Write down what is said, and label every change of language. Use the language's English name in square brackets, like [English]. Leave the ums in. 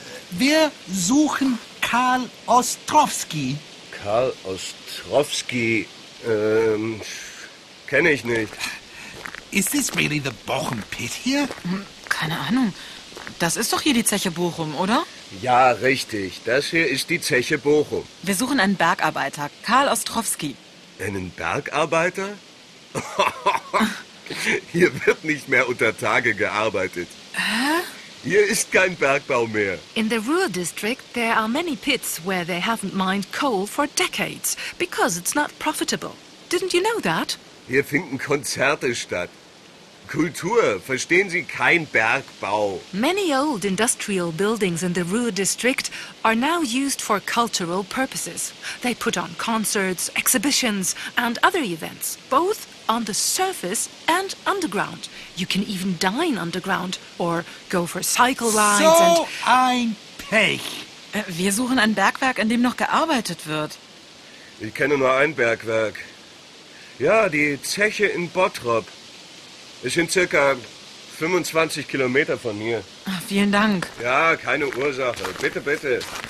[German] Wir suchen Karl Ostrowski. Karl Ostrowski, ähm, kenne ich nicht. [English] Is this really the Bochum pit here? [German] Keine Ahnung. Das ist doch hier die Zeche Bochum, oder? Ja, richtig. Das hier ist die Zeche Bochum. Wir suchen einen Bergarbeiter, Karl Ostrowski. Einen Bergarbeiter? Hier wird nicht mehr unter Tage gearbeitet. Hier ist kein Bergbau mehr. [English] In the Ruhr district, there are many pits where they haven't mined coal for decades because it's not profitable. Didn't you know that? Hier finden Konzerte statt. Kultur, verstehen Sie, kein Bergbau. Many old industrial buildings in the Ruhr district are now used for cultural purposes. They put on concerts, exhibitions, and other events, both on the surface and underground. You can even dine underground or go for cycle rides and. [German] So ein Pech. Äh, Wir suchen ein Bergwerk, in dem noch gearbeitet wird. Ich kenne nur ein Bergwerk. Ja, die Zeche in Bottrop. Es sind circa 25 Kilometer von mir. Ah, vielen Dank. Ja, keine Ursache. Bitte, bitte.